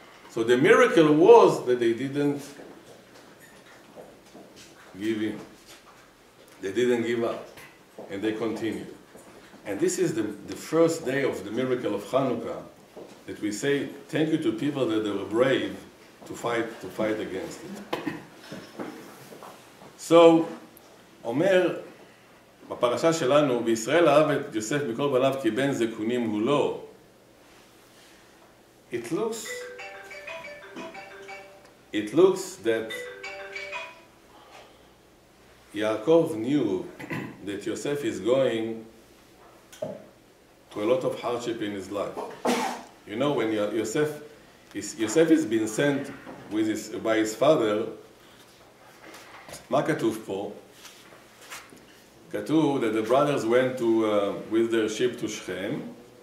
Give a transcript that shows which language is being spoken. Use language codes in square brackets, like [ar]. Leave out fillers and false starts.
[en] So the miracle was that they didn't give in. They didn't give up. And they continued. And this is the first day of the miracle of Chanukah, that we say thank you to people that they were brave to fight against it. [he] So, Omer, בפרשה שלנו, בישראל אהב את יוסף מכל בניו כי בן זקונים הוא לא. [en] It looks that Yaakov knew that Yosef is going to a lot of hardship in his life. You know, when Yosef has been sent by his father, [he] Makatuf po, Katu, [en] that the brothers went to with their ship to Shechem.